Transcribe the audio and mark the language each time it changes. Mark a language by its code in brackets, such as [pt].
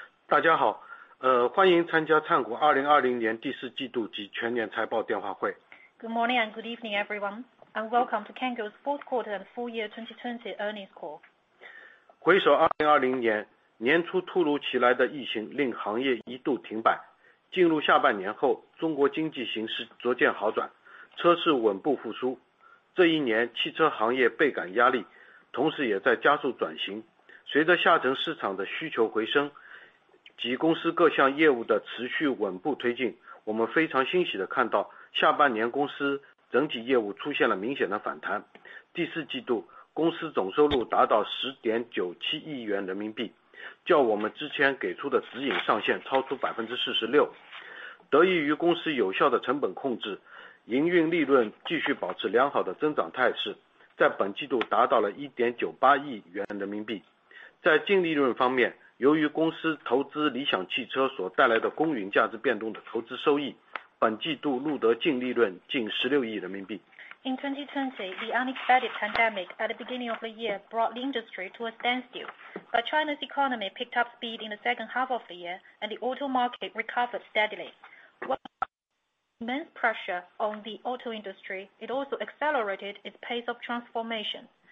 [zh] 大家好, 欢迎参加 Cango 2020年第四季度及全年财报电话会。 [en] Good morning and good evening, everyone. And welcome to Cango's fourth quarter and full year 2020 earnings call. [zh] 回首2020年, 年初突如其来的疫情令行业一度停摆。进入下半年后, 中国经济形势逐渐好转, 车市稳步复苏, 这一年, 汽车行业倍感压力, 同时也在加速转型, 随着下沉市场的需求回升, 及公司各项业务的持续稳步推进, 我们非常欣喜地看到, 下半年公司整体业务出现了明显的反弹, 第四季度, 公司总收入达到 10.97亿元人民币, 较我们之前给出的指引上限超出 46%, 得益于公司有效的成本控制, 营运利润继续保持良好的增长态势, 在本季度达到了 1.98亿元人民币。在净利润方面, 由于公司投资理想汽车所带来的公允价值变动的投资收益, 本季度录得净利润近 16亿人民币。 [en] In 2020, the unexpected pandemic at the beginning of the year brought the industry to a standstill, but China's economy picked up speed in the second half of the year, and the auto market recovered steadily. Immense pressure on the auto industry, it also accelerated its pace of transformation.